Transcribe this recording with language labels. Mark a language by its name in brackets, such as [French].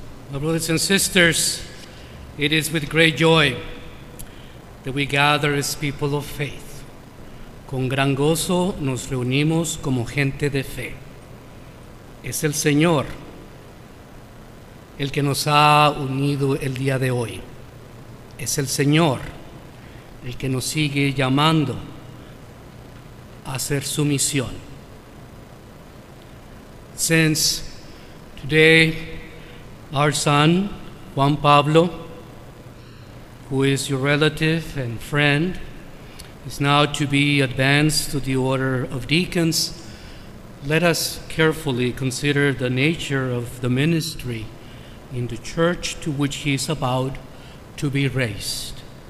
[English] Brothers and sisters, it is with great joy that we gather as people of faith. [Spanish] Con gran gozo nos reunimos como gente de fe. Es el Señor el que nos ha unido el día de hoy. Es el Señor el que nos sigue llamando a hacer su misión. [English] Since today, our son, Juan Pablo, who is your relative and friend, is now to be advanced to the order of deacons. Let us carefully consider the nature of the ministry in the church to which he is about to be raised.